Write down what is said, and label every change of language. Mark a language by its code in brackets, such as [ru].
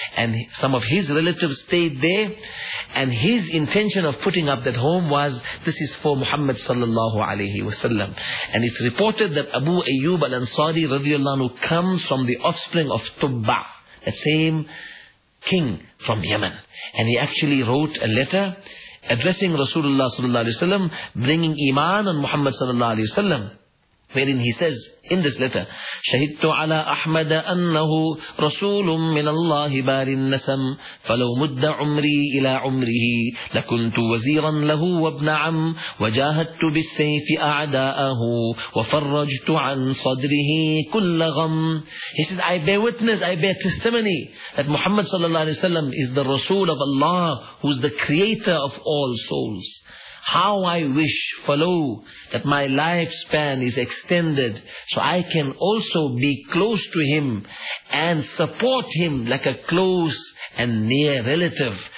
[en] And some of his relatives stayed there. And his intention of putting up that home was, this is for Muhammad sallallahu alayhi wasallam. And it's reported that Abu Ayyub al-Ansari radiallahu anhu comes from the offspring of Tubba. That same king from Yemen. And he actually wrote a letter addressing Rasulullah sallallahu alayhi wasallam, bringing iman on Muhammad sallallahu alayhi wasallam, wherein he says in this letter, [ar] شَهِدْتُ عَلَىٰ أَحْمَدَ أَنَّهُ رَسُولٌ مِّنَ اللَّهِ بَارِ النَّسَمْ فَلَوْ مُدَّ عُمْرِي إِلَىٰ عُمْرِهِ لَكُنْتُ وَزِيرًا لَهُ وَابْنَ عَمْ وَجَاهَدْتُ بِالسَّيْفِ أَعْدَاءَهُ وَفَرَّجْتُ عَنْ صَدْرِهِ كُلَّ غَمْ. [en] He says, I bear witness, I bear testimony that Muhammad sallallahu alayhi wa sallam is the Rasul of Allah, who is the creator of all souls. How I wish, follow, that my lifespan is extended so I can also be close to him and support him like a close and near relative.